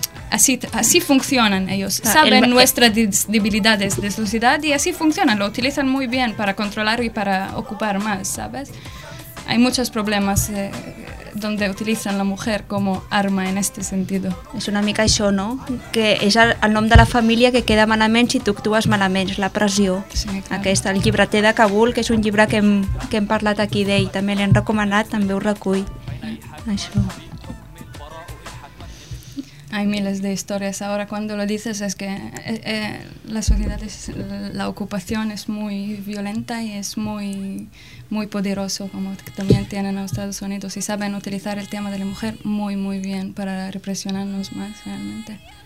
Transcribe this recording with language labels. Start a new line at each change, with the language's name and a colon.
Spanish: Así funcionan ellos, saben nuestras debilidades de sociedad y así funcionan, lo utilizan muy bien para controlar y para ocupar más, ¿sabes? Hay muchos problemas donde utilizan la mujer como arma en este sentido.
Catalan: És una mica això, no? Que és el nom de la família que queda malament si tu actues malament, la pressió. Sí, clar. Aquest, el llibreter de Kabul, que és un llibre que hem parlat aquí d'ell, també l'hem recomanat, també ho recull. Això...
Spanish: Hay miles de historias. Ahora cuando lo dices es que la sociedad, la ocupación es muy violenta y es muy, muy poderoso, como también tienen los Estados Unidos, y saben utilizar el tema de la mujer muy, muy bien para represionarnos más realmente.